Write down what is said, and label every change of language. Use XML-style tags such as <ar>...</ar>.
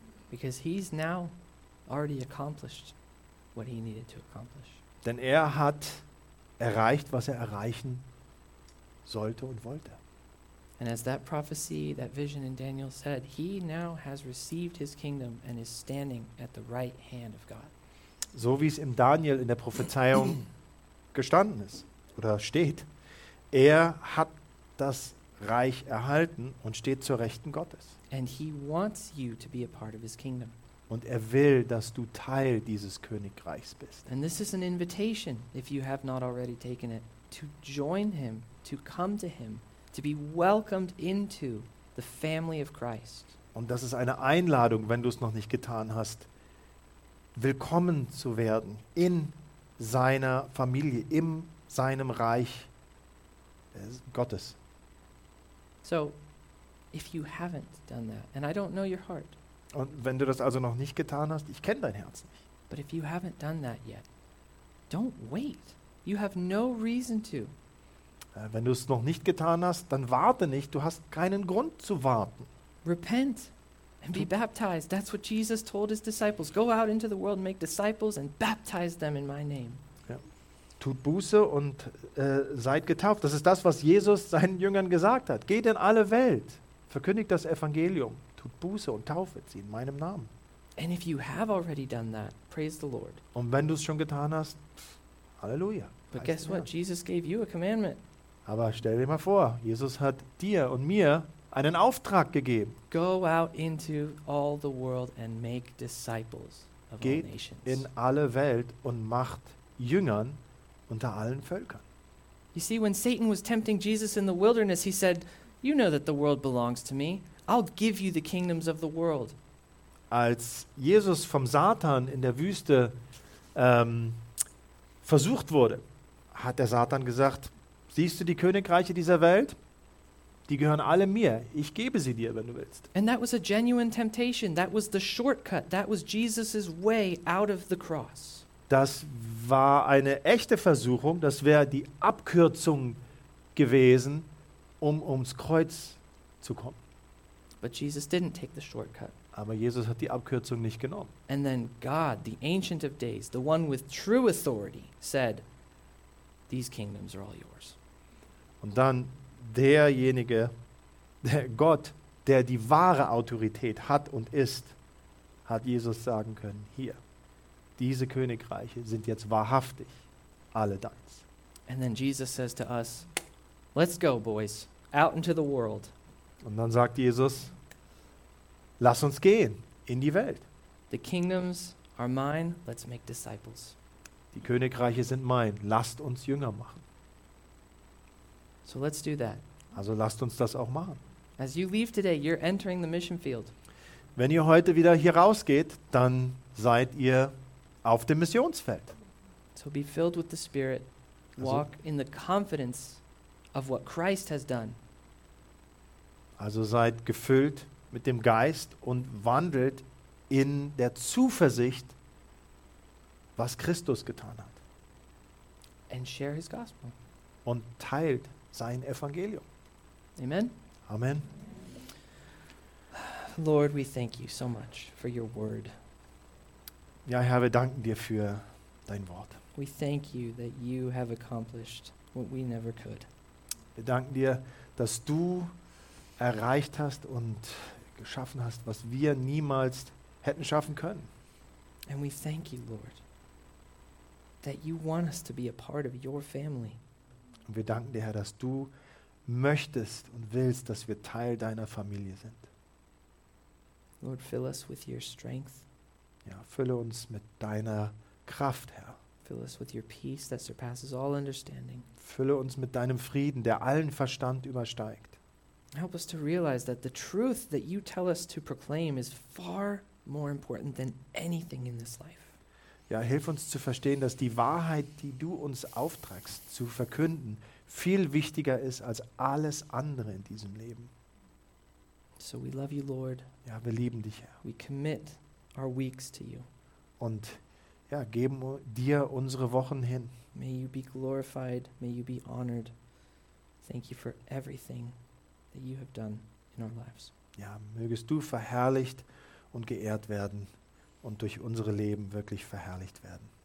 <en>Because he's now already accomplished what he needed to accomplish.</en> <de>Denn er hat erreicht, was er erreichen sollte und wollte.</de> <en>And as that prophecy, that vision in Daniel said, he now has received his kingdom and is standing at the right hand of God.</en> <de>So wie es im Daniel in der Prophezeiung gestanden ist oder steht, er hat das Reich erhalten und steht zur Rechten Gottes.</de> <en>And he wants you to be a part of his kingdom.</en> <de>Und er will, dass du Teil dieses Königreichs bist.</de> <en>And this is an invitation, if you have not already taken it, to join him, to come to him, to be welcomed into the family of Christ.</en> <de>Und das ist eine Einladung, wenn du es noch nicht getan hast, willkommen zu werden in seiner Familie, in seinem Reich Gottes.</de> <en>So, if you haven't done that, and I don't know your heart.</en> <de>Und wenn du das also noch nicht getan hast, ich kenne dein Herz nicht.</de> <en>But if you haven't done that yet, don't wait. You have no reason to.</en> <de>Wenn du es noch nicht getan hast, dann warte nicht. Du hast keinen Grund zu warten.</de> <en>Repent and be baptized. That's what Jesus told his disciples. Go out into the world, make disciples and baptize them in my name.</en> <de>Tut Buße und seid getauft. Das ist das, was Jesus seinen Jüngern gesagt hat. Geht in alle Welt, verkündigt das Evangelium, tut Buße und taufet sie in meinem Namen.</de> <en>And if you have already done that, praise the Lord.</en> <de>Und wenn du es schon getan hast, Halleluja.</de> <en>But guess what? Jesus gave you a commandment.</en> <de>Aber stell dir mal vor, Jesus hat dir und mir einen Auftrag gegeben.</de> <en>Go out into all the world and make disciples of</en> <de>Geht</de> <en>all nations.</en> <de>In alle Welt und macht Jüngern unter allen Völkern.</de> <en>You see, when Satan was tempting Jesus in the wilderness, he said, you know that the world belongs to me. I'll give you the kingdoms of the world.</en> <de>Als Jesus vom Satan in der Wüste versucht wurde, hat der Satan gesagt, siehst du die Königreiche dieser Welt? Die gehören alle mir. Ich gebe sie dir, wenn du willst.</de> <en>And that was a genuine temptation. That was the shortcut. That was Jesus' way out of the cross.</en> <de>Das war eine echte Versuchung, das wäre die Abkürzung gewesen, um ums Kreuz zu kommen.</de> <en>But Jesus didn't take the shortcut.</en> <de>Aber Jesus hat die Abkürzung nicht genommen.</de> <en>And then God, the Ancient of Days, the one with true authority, said, these kingdoms are all yours.</en> <de>Und dann derjenige, der Gott, der die wahre Autorität hat und ist, hat Jesus sagen können, hier. Diese Königreiche sind jetzt wahrhaftig alle deins.</de> <en>And then Jesus says to us, let's go, boys, out into the world.</en> <de>Und dann sagt Jesus, lass uns gehen in die Welt.</de> <en>The kingdoms are mine, let's make disciples.</en> <de>Die Königreiche sind mein, lasst uns Jünger machen.</de> <en>So let's do that.</en> <de>Also lasst uns das auch machen.</de> <en>As you leave today, you're entering the mission field.</en> <de>Wenn ihr heute wieder hier rausgeht, dann seid ihr auf dem Missionsfeld.</de> <en>So be filled with the Spirit. Walk also, in the confidence of what Christ has done.</en> <de>Also seid gefüllt mit dem Geist und wandelt in der Zuversicht, was Christus getan hat.</de> <en>And share his gospel.</en> <de>Und teilt sein Evangelium.</de> <en>Amen.</en> <de>Amen.</de> <en>Lord, we thank you so much for your word.</en> <de>Ja, Herr, wir danken dir für dein Wort.</de> <en>We thank you that you have accomplished what we never could.</en> <de>Wir danken dir, dass du erreicht hast und geschaffen hast, was wir niemals hätten schaffen können.</de> <en>And we thank you, Lord, that you want us to be a part of your family.</en> <de>Und wir danken dir, Herr, dass du möchtest und willst, dass wir Teil deiner Familie sind.</de> <en>Lord, fill us with your strength.</en> <de>Ja, fülle uns mit deiner Kraft, Herr.</de> <en>Fill us with your peace that surpasses all understanding.</en> <de>Fülle uns mit deinem Frieden, der allen Verstand übersteigt.</de> <en>Help us to realize that the truth that you tell us to proclaim is far more important than anything in this life.</en> <de>Ja, hilf uns zu verstehen, dass die Wahrheit, die du uns auftragst zu verkünden, viel wichtiger ist als alles andere in diesem Leben.</de> <en>So we love you, Lord.</en> <de>Ja, wir lieben dich, Herr.</de> <en>We commit our weeks to you.</en> <de>Und ja, geben dir unsere Wochen hin.</de> <en>May you be glorified, may you be honored. Thank you for everything that you have done in our lives.</en> <de>Ja, mögest du verherrlicht und geehrt werden und durch unsere Leben wirklich verherrlicht werden.</de>